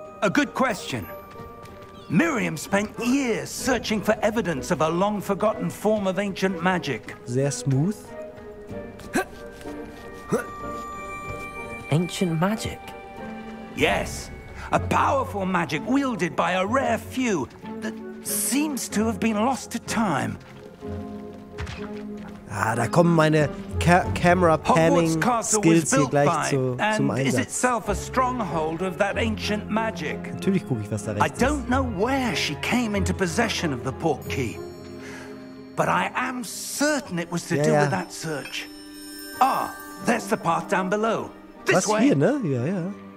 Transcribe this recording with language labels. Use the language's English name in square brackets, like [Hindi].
[English] A good question. Miriam spent years searching for evidence of a long forgotten form of ancient magic. [German] Sehr smooth. [English] Ancient magic? Yes. A powerful magic wielded by a rare few that seems to have been lost to time. [German] Ah, da kommen meine Camera-Panning-Skills hier gleich zum Einsatz. [English] Is itself a stronghold of that ancient magic. [German] Natürlich gucke ich, was da rechts ist. [English] I don't know where she came into possession of the portkey, but I am certain it was to do with that search. Ah, there's the path down below. This [German] way. Was hier, ne? Ja, ja.